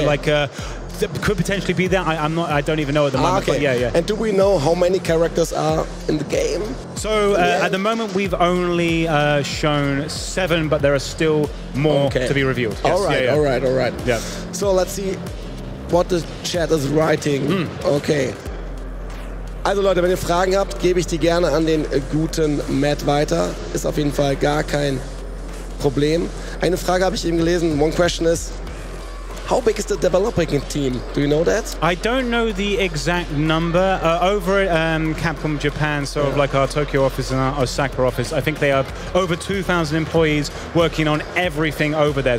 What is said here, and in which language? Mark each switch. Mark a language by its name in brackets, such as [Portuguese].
[English] So like could potentially be that. I don't even know at the moment. Okay. But yeah. And do we know how many characters are in the game? So at the moment we've only shown 7, but there are still more to be revealed. Yes. All right. Yeah. So let's see what the chat is writing. Mm. Okay. [German] Also Leute, wenn ihr Fragen habt, gebe ich die gerne an den guten Matt weiter. Ist auf jeden Fall gar kein Problem. Eine Frage habe ich eben gelesen. [English] One question is, how big is the developing team? Do you know that? I don't know the exact number. Over at CAPCOM Japan, sort of like our Tokyo office and our Osaka office, I think they have over 2,000 employees working on everything over there.